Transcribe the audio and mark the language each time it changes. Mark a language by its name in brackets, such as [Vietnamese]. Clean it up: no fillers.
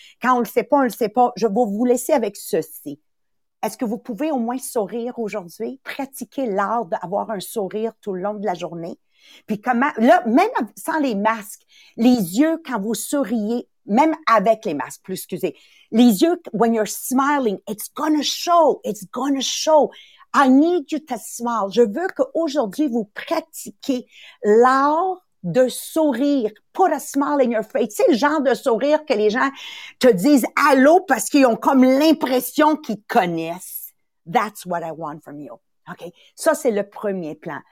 [French] Quand on le sait pas, on le sait pas. Je vais vous laisser avec ceci. Est-ce que vous pouvez au moins sourire aujourd'hui? Pratiquer l'art d'avoir un sourire tout le long de la journée. Puis comment, là, même sans les masques, les yeux, quand vous souriez, même avec les masques, plus, excusez. Les yeux, [English] when you're smiling, it's gonna show, it's gonna show. I need you to smile. [French] Je veux qu'aujourd'hui, vous pratiquiez l'art de sourire. [English] Put a smile in your face. [French] C'est le genre de sourire que les gens te disent allô parce qu'ils ont comme l'impression qu'ils connaissent. [English] That's what I want from you. OK. [French] Ça, c'est le premier plan.